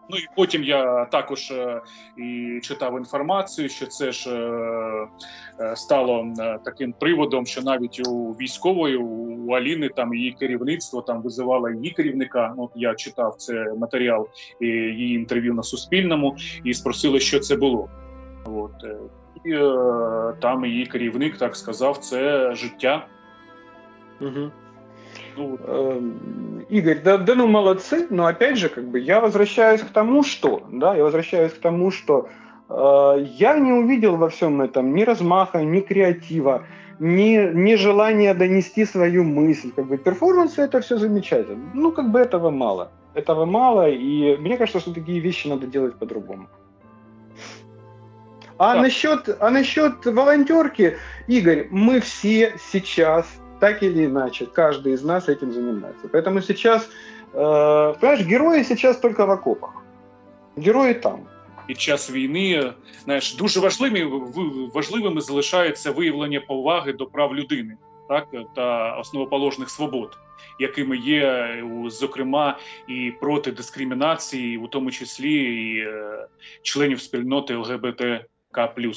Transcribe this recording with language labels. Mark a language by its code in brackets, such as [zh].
[uk] Ну, і потім я також і читав інформацію, що це ж стало таким приводом, що навіть у військової, у Аліни, там її керівництво там визивало її керівника. Ну, я читав це матеріал і її інтерв'ю на Суспільному і спросили, що це було. От. І там її керівник так сказав, це життя. Угу. [ru] Ну, Ігор, да, [uk] ну молодці, [ru] но опять же, как бы, я возвращаюсь к тому, что, да, я возвращаюсь к тому, что я не увидел во всем этом ни размаха, ни креатива, ни желания донести свою мысль. Как бы перформанс — это все замечательно. Ну, как бы этого мало. Этого мало, и мне кажется, что такие вещи надо делать по-другому. А насчет волонтерки, Игорь, мы все сейчас, так или иначе, каждый из нас этим занимается. Поэтому сейчас, понимаешь, герои сейчас только в окопах. Герои там. [uk] І час війни, знаєш, дуже важливими залишається виявлення поваги до прав людини, так, та основоположних свобод, якими є, зокрема, і проти дискримінації, у тому числі і членів спільноти ЛГБТ. К+.